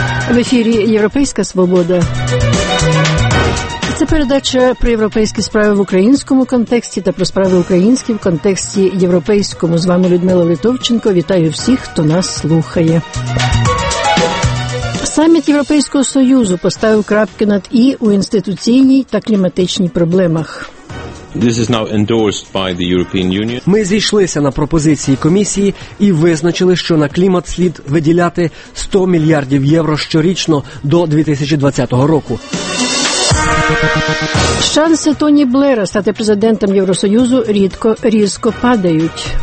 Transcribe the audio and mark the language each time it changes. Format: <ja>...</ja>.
<uk>В ефірі «Європейська свобода». Це передача про європейські справи в українському контексті та про справи українські в контексті європейському. З вами Людмила Литовченко. Вітаю всіх, хто нас слухає. Саміт Європейського Союзу поставив крапки над «і» у інституційній та кліматичній проблемах.</uk> <en>This is now endorsed by the European Union.</en> <uk>Ми зійшлися на пропозиції комісії і визначили, що на клімат слід виділяти 100 мільярдів євро щорічно до 2020 року. Шанси Тоні Блера стати президентом Євросоюзу різко падають.</uk>